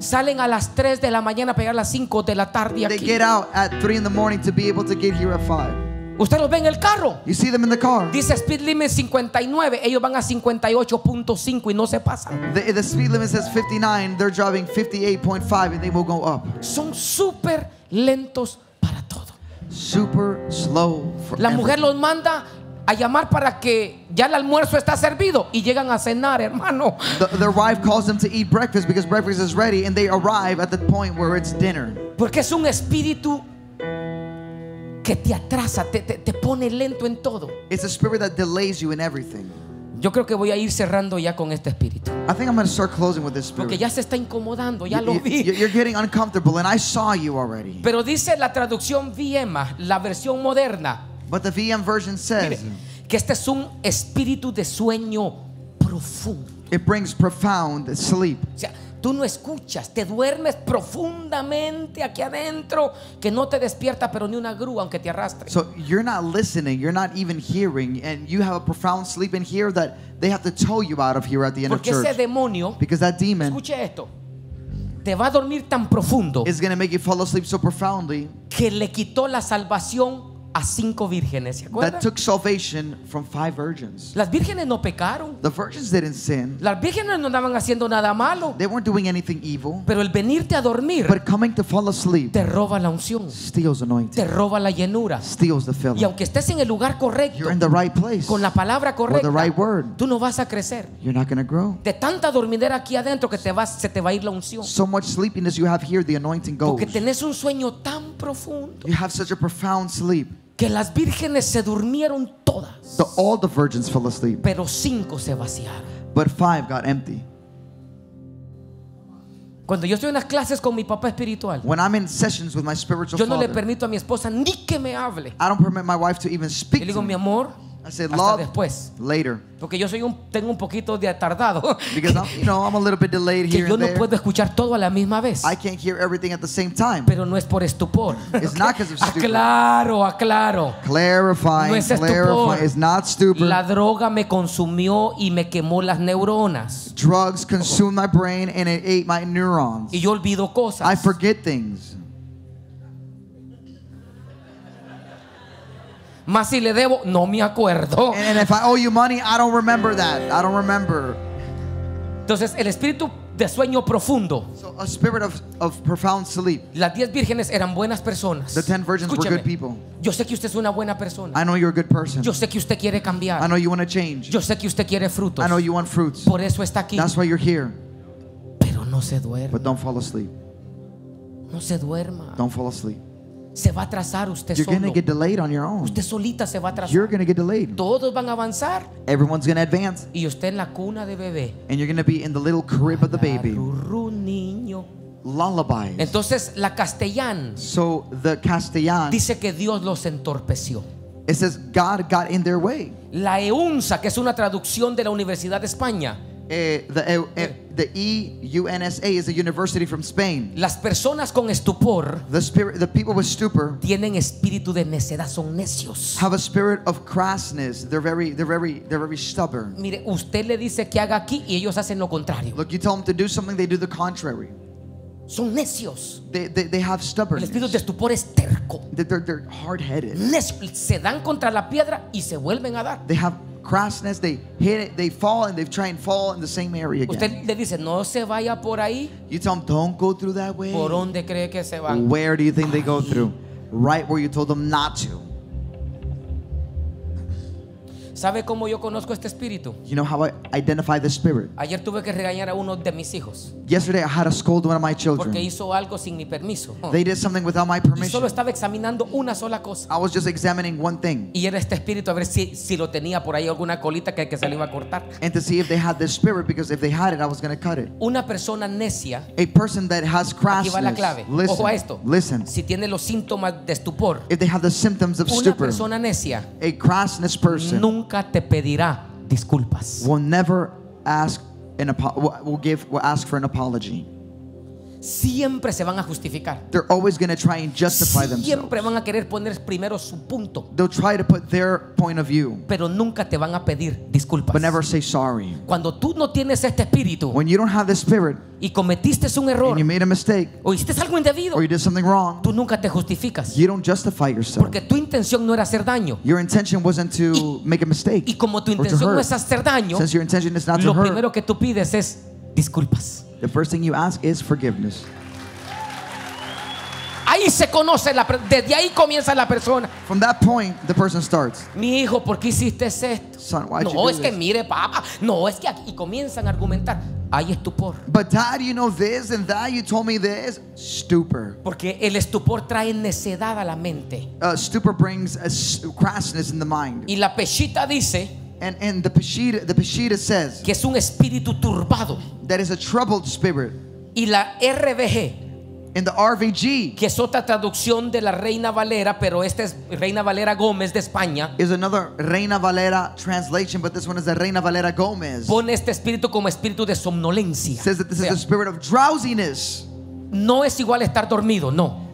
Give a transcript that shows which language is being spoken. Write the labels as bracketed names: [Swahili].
[Spanish] Salen a las 3 de la mañana para llegar a las 5 de la tarde aquí. [English] They get out at 3 in the morning to be able to get here at 5. [Spanish] Usted los ve en el carro. [English] You see them in the car. [Spanish] Dice [English] speed limit [Spanish] 59, ellos van a 58.5 y no se pasan. [English] The speed limit says 59, they're driving 58.5 and they will go up. [Spanish] Son super lentos para todo. [English] Super slow for [Spanish] La mujer [English] everything. [Spanish] Los manda a llamar para que ya el almuerzo está servido y llegan a cenar, hermano. [English] Their wife calls them to eat breakfast because breakfast is ready and they arrive at the point where it's dinner. [Spanish] Porque es un espíritu que te atrasa, te pone lento en todo. [English] It's a spirit that delays you in everything. [Spanish] Yo creo que voy a ir cerrando ya con este espíritu. [English] I think I'm going to start closing with this spirit. [Spanish] Porque ya se está incomodando, ya lo vi. [English] You're getting uncomfortable and I saw you already. [Spanish] Pero dice la traducción VMA, la versión moderna. [English] But the VM version says, [Spanish] mire, que este es un espíritu de sueño profundo. [English] It brings profound sleep. [Spanish] O sea, tú no escuchas, te duermes profundamente aquí adentro, que no te despierta pero ni una grúa aunque te arrastre. [English] So you're not listening, you're not even hearing, and you have a profound sleep in here that they have to tow you out of here at the end [Spanish] Porque [English] of church. [Spanish] Porque ese demonio, [English] because that demon, [Spanish] escuche esto, te va a dormir tan profundo, [English] is going to make you fall asleep so profoundly, [Spanish] que le quitó la salvación a 5 vírgenes, ¿se acuerdan? [English] That took salvation from 5 virgins. [Spanish] Las vírgenes no pecaron. [English] The virgins didn't sin. [Spanish] Las vírgenes no andaban haciendo nada malo. [English] They weren't doing anything evil. [Spanish] Pero el venirte a dormir, [English] but coming to fall asleep, [Spanish] te roba la unción. [English] Steals anointing. [Spanish] Te roba la llenura. [English] Steals the filling. [Spanish] Y aunque estés en el lugar correcto, [English] you're in the right place, [Spanish] con la palabra correcta, [English] with the right word, [Spanish] tú no vas a crecer. [English] You're not going to grow. [Spanish] De tanta dormidera aquí adentro que se te va a ir la unción. [English] So much sleepiness you have here, the anointing goes. [Spanish] Porque tenés un sueño tan profundo. [English] You have such a profound sleep. [Spanish] Que las vírgenes se durmieron todas. [English] So all the virgins fell asleep. [Spanish] Pero 5 se vaciaron. [English] But 5 got empty. [Spanish] Cuando yo estoy en las clases con mi papá espiritual, [English] when I'm in sessions with my spiritual [Spanish] yo no [English] father, [Spanish] le permito a mi esposa ni que me hable. [English] I don't permit my wife to even speak. [Spanish] Le digo, [English] to [Spanish] mi amor, [English] I say, love, [Spanish] después. [English] Later. [Spanish] Porque yo soy tengo un poquito de atardado. [English] Because I'm, you know, I'm a little bit delayed here. [Spanish] Que yo [English] and [Spanish] no [English] there. [Spanish] Puedo escuchar todo a la misma vez. [English] I can't hear everything at the same time. [Spanish] Pero no es por estupor. [English] It's okay. Not because of stupor. [Spanish] Aclaro. [English] Clarifying. [Spanish] No es estupor. [English] It's not stupor. [Spanish] La droga me consumió y me quemó las neuronas. [English] Drugs consumed my brain and it ate my neurons. [Spanish] Y yo olvido cosas. [English] I forget things. [Spanish] Mas si le debo, no me acuerdo. [English] And if I owe you money, I don't remember that. I don't remember. [Spanish] Entonces, el espíritu de sueño profundo. [English] So a spirit of profound sleep. [Spanish] Las 10 vírgenes eran buenas personas. [English] The 10 virgins [Spanish] Escúcheme, [English] were good people. [Spanish] Yo sé que usted es una buena persona. [English] I know you're a good person. [Spanish] Yo sé que usted quiere cambiar. [English] I know you want to change. [Spanish] Yo sé que usted quiere frutos. [English] I know you want fruits. [Spanish] Por eso está aquí. [English] That's why you're here. [Spanish] Pero no se duerma. [English] But don't fall asleep. [Spanish] No se duerma. [English] Don't fall asleep. [Spanish] se va a atrasar usted solo. [English] You're going to get delayed on your own. [Spanish] Usted solita se va a atrasar. [English] You're going to get delayed. [Spanish] Todos van a avanzar. [English] Everyone's going to advance. [Spanish] Y usted en la cuna de bebé. [English] And you're going to be in the little crib of the baby. [Spanish] Ruru niño. [English] Lullabies. [Spanish] Entonces la castellana. [English] So the castellan. [Spanish] Dice que Dios los entorpeció. [English] It says God got in their way. [Spanish] La EUNSA, que es una traducción de la Universidad de España. [English] The EUNSA is a university from Spain. [Spanish] Las personas con estupor, [English] the people with stupor, [Spanish] tienen espíritu de necedad, son necios. [English] Have a spirit of crassness. They're very stubborn. [Spanish] Mire, usted le dice que haga aquí y ellos hacen lo contrario. [English] Look, you tell them to do something, they do the contrary. [Spanish] Son necios. [English] They have stubbornness. [Spanish] El espíritu de estupor es terco. [English] They're hard-headed. [Spanish] Se dan contra la piedra y se vuelven a dar. [English] They have crassness. They hit it. They fall and they try and fall in the same area again. [Spanish] Usted le dice, no se vaya por ahí. [English] You tell them, don't go through that way. [Spanish] ¿Por dónde cree que se van? [English] Where do you think they go through? Right where you told them not to. [Spanish] ¿Sabe cómo yo conozco este espíritu? [English] You know how I identify the spirit. [Spanish] Ayer tuve que regañar a uno de mis hijos. [English] Yesterday I had to scold one of my children. [Spanish] Porque hizo algo sin mi permiso. [English] They did something without my permission. [Spanish] Y solo estaba examinando una sola cosa. [English] I was just examining one thing. [Spanish] Y era este espíritu, a ver si lo tenía por ahí alguna colita que se le iba a cortar. [English] And to see if they had this spirit, because if they had it, I was going to cut it. [Spanish] Una persona necia. [English] A person that has crassness. [Spanish] Aquí va la clave. [English] Listen, [Spanish] ojo a esto. [English] Listen. [Spanish] Si tiene los síntomas de estupor. [English] If they have the symptoms of [Spanish] una [English] stupor. [Spanish] Una persona necia. [English] A crassness person. [Spanish] Nunca te pedirá disculpas. [English] Will never ask an ask for an apology. [Spanish] Siempre se van a justificar. [English] They're always going to try and justify [Spanish] Siempre [English] themselves. [Spanish] Siempre van a querer poner primero su punto. [English] They'll try to put their point of view. [Spanish] Pero nunca te van a pedir disculpas. [English] But never say sorry. [Spanish] Cuando tú no tienes este espíritu. [English] When you don't have the spirit. [Spanish] Y cometiste un error. [English] And you made a mistake. [Spanish] O hiciste algo indebido. [English] Or you did something wrong. [Spanish] Tú nunca te justificas. [English] You don't justify yourself. [Spanish] Porque tu intención no era hacer daño. [English] Your intention wasn't to make a mistake. [Spanish] Y como tu intención no es hacer daño. [English] Since your intention is not to hurt. [Spanish] Lo primero que tú pides es disculpas. [English] The first thing you ask is forgiveness. [Spanish] Ahí se conoce la desde ahí comienza la persona. [English] From that point, the person starts. [Spanish] Mi hijo, ¿por qué hiciste esto? [English] Son, why did [Spanish] no, [English] you do [Spanish] es [English] this? [Spanish] Que mire, papá. No, es que aquí y comienzan a argumentar. Ahí estupor. [English] But dad, you know this and that. You told me this. Stupor. [Spanish] Porque el estupor trae necedad a la mente. [English] Stupor brings a crassness in the mind. [Spanish] Y la pechita dice. [English] And the Peshitta says [Spanish] que es un espíritu turbado. [English] That is a troubled spirit. [Spanish] Y la RVG. [English] And the RVG. [Spanish] Que es otra traducción de la Reina Valera, pero esta es Reina Valera Gómez de España. [English] Is another Reina Valera translation, but this one is the Reina Valera Gómez. [Spanish] Pone este espíritu como espíritu de somnolencia. [English] Says that this is a spirit of drowsiness. [Spanish] No es igual estar dormido, no.